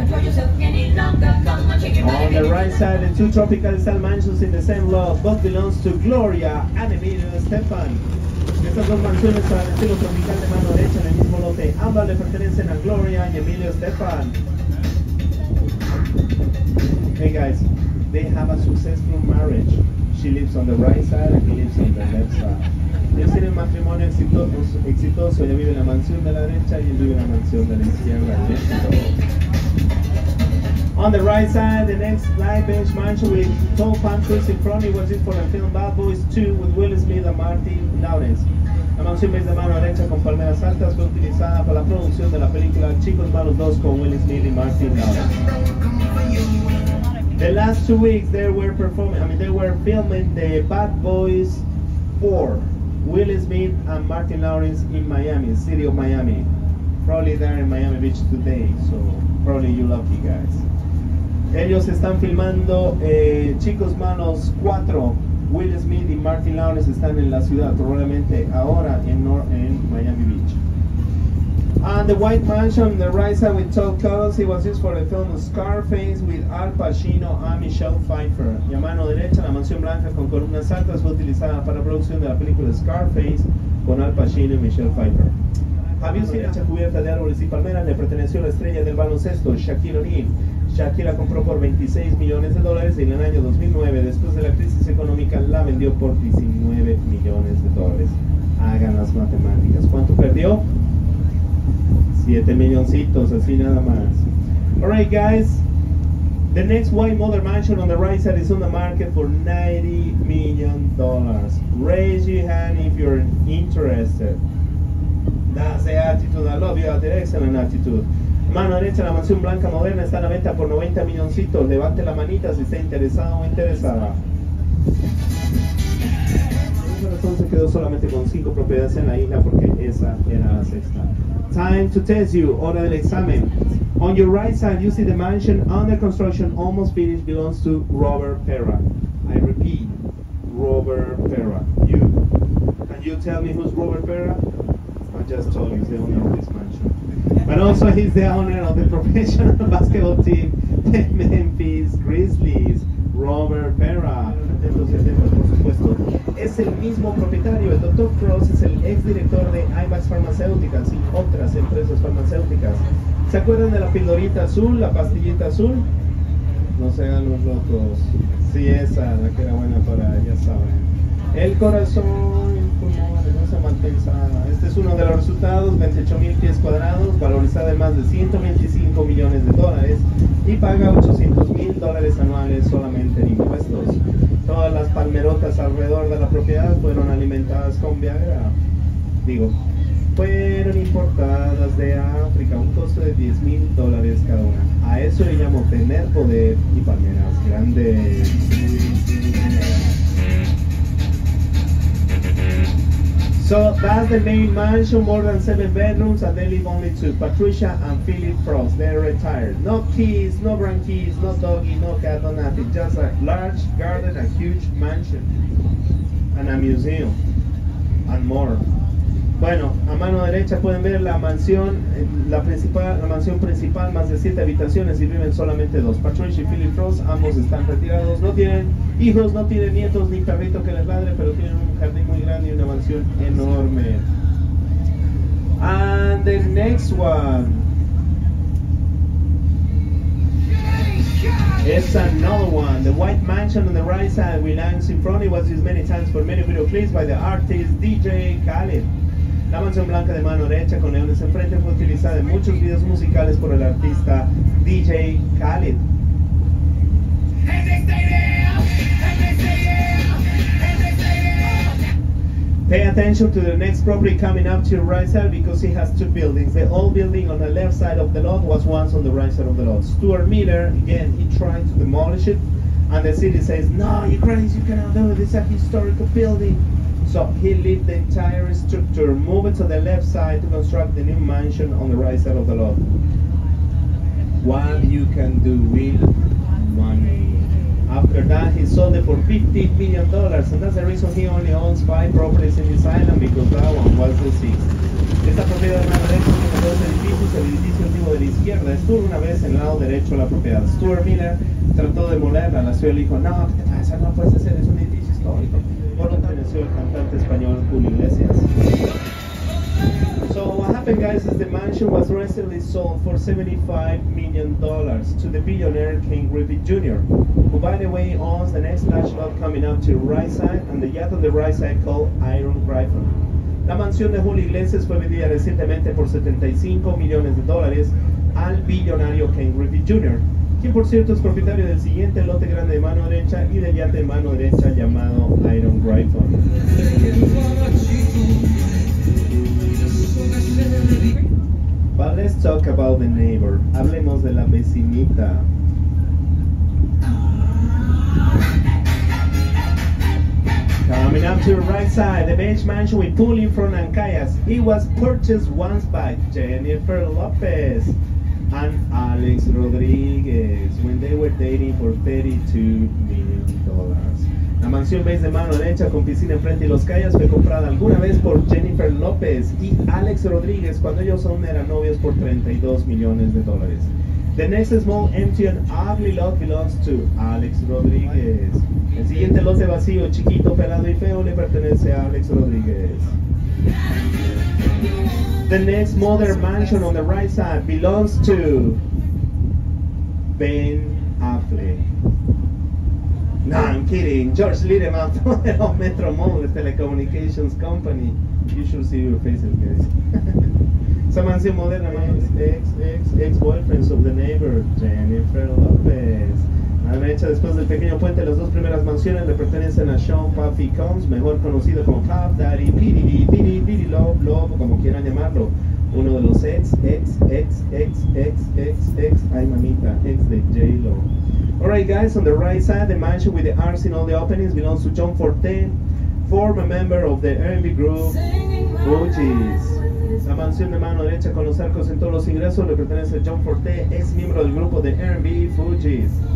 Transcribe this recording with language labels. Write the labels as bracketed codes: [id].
[en] On the right side, the two tropical style mansions in the same lot, both belongs to Gloria and Emilio Estefan. [es] Estas dos mansiones son el estilo tropical de mano derecha en el mismo lote. Ambas le pertenecen a Gloria y Emilio Estefan. [en] Hey guys, they have a successful marriage. She lives on the right side and he lives on the left side. [es] Ellos tienen matrimonio exitoso. Ella vive en la mansión de la derecha y él vive en la mansión de la izquierda. [en] On the right side, the next light beige mansion with tall palm trees in front, it was used for the film Bad Boys 2 with Will Smith and Martin Lawrence. [es] La mansión beige de mano derecha con palmeras altas fue utilizada para la producción de la película Chicos Malos 2 con Will Smith y Martin Lawrence. [en] The last 2 weeks they were filming the Bad Boys 4, Will Smith and Martin Lawrence in Miami, city of Miami. Probably they're in Miami Beach today, so probably you lucky guys. [es] Ellos están filmando Chicos Malos 4. Will Smith y Martin Lawrence están en la ciudad, probablemente ahora en Miami Beach. [en] And the White Mansion, the right side with tall columns, it was used for the film Scarface with Al Pacino and Michelle Pfeiffer. [es] Y a mano derecha, la mansión blanca con columnas altas fue utilizada para la producción de la película Scarface con Al Pacino y Michelle Pfeiffer. Había una derecha cubierta de árboles y palmeras, le perteneció a la estrella del baloncesto, Shaquille O'Neal. Shaquille la compró por $26 millones y en el año 2009, después de la crisis económica, la vendió por $19 millones. Hagan las matemáticas. ¿Cuánto perdió? 7 milloncitos, así nada más. [en] Alright guys, the next white mother mansion on the right side is on the market for $90 million. Raise your hand if you're interested. That's the attitude, I love you, that's the excellent attitude. [es] Mano derecha, la mansión blanca moderna está a la venta por 90 milloncitos. Levante la manita si está interesado o interesada. Entonces quedó solamente con 5 propiedades en la isla porque esa era la sexta. [en] Time to test you, [es] hora del examen. [en] On your right side, you see the mansion under construction, almost finished, belongs to Robert Perra. I repeat, Robert Perra. You. Can you tell me who's Robert Perra? I just told you, he's the owner of this mansion. But also he's the owner of the professional basketball team, the Memphis Grizzlies, Robert Pera. [es] Entonces, por supuesto, es el mismo propietario. El Dr. Cross es el ex director de IMAX Pharmaceuticals y otras empresas farmacéuticas. ¿Se acuerdan de la pildorita azul, la pastillita azul? No se hagan los locos. Sí, esa, la que era buena para, ya saben. El corazón, no se mantenga. Este es uno de los resultados, 28,000 pies cuadrados, valorizada en más de 125 millones de dólares y paga 800,000 dólares anuales solamente en impuestos. Todas las palmerotas alrededor de la propiedad fueron alimentadas con Viagra. Digo, fueron importadas de África a un costo de 10,000 dólares cada una. A eso le llamo tener poder y palmeras grandes. [en] So that's the main mansion, more than 7 bedrooms, and they live only 2, Patricia and Philip Frost. They're retired. No kids, no grandkids, no doggy, no cat, no nothing. Just a large garden, a huge mansion, and a museum, and more. [es] Bueno, a mano derecha pueden ver la mansión, la mansión principal, más de 7 habitaciones y viven solamente 2. Patricia y Philip Frost, ambos están retirados, no tienen hijos, no tienen nietos ni perrito que les ladre, pero tienen un jardín muy grande y una mansión enorme. [en] And the next one. It's another one. The White Mansion on the right side with lions in front. It was used many times for many video clips by the artist DJ Khaled. [es] La mansión blanca de mano derecha con leones enfrente fue utilizada en muchos videos musicales por el artista DJ Khaled. [en] Pay attention to the next property coming up to your right side because it has 2 buildings. The old building on the left side of the lot was once on the right side of the lot. Stuart Miller, again, he tried to demolish it and the city says, no, you're crazy, you cannot do it, it's a historical building. So he left the entire structure, moved to the left side to construct the new mansion on the right side of the lot. While you can do with money. After that, he sold it for $50 million, and that's the reason he only owns 5 properties in his island, because that one was the 6th. [es] Esta propiedad de la derecha tiene 2 edificios, el edificio antiguo de la izquierda estuvo una vez en el lado derecho de la propiedad. Stuart Miller trató de demolerla, la ciudad le dijo, no, ¿qué te pasa? No puedes hacer, es un edificio histórico. Por lo tanto, nació el cantante español Julio Iglesias. [en] So what happened, guys, is the mansion was recently sold for $75 million to the billionaire King Griffey Jr., who, by the way, owns the next large lot coming up to the right side and the yacht on the right side called Iron Griffin. [es] La mansión de Julio Iglesias fue vendida recientemente por $75 millones al billonario King Griffey Jr., quien, por cierto, es propietario del siguiente lote grande de mano derecha y del yacht de mano derecha llamado Iron Griffin. [en] But let's talk about the neighbor. [es] Hablemos de la vecinita. [en] Coming up to the right side, the beige mansion with pool in front and kayaks. It was purchased once by Jennifer Lopez and Alex Rodriguez when they were dating for $32 million. [es] La mansión beige de mano derecha con piscina enfrente y los kayaks fue comprada alguna vez por Jennifer Lopez y Alex Rodriguez cuando ellos aún eran novios por $32 millones. [en] The next small, empty and ugly lot belongs to Alex Rodriguez. [es] El siguiente lote vacío, chiquito, pelado y feo le pertenece a Alex Rodriguez. [en] The next modern mansion on the right side belongs to Ben Affleck. No, I'm kidding. George Lidemann of Metro Mobile Telecommunications Company. You should see your faces, guys. Samantha Modena, my ex-boyfriends of the neighbor, Jennifer Lopez. [es] A la derecha, después del pequeño puente, las 2 primeras mansiones le pertenecen a Sean Puffy Combs, mejor conocido como Puff Daddy, Pidi, Pidi, Pidi, Love, Love, como quieran llamarlo. Uno de los ex, ay mamita, ex de J-Lo. [en] Alright guys, on the right side, the mansion with the arts in all the openings belongs to John Forte, former member of the R&B group, Bougies. [es] La mansión de mano derecha con los arcos en todos los ingresos le pertenece a John Forte, ex miembro del grupo de R&B, Fugees.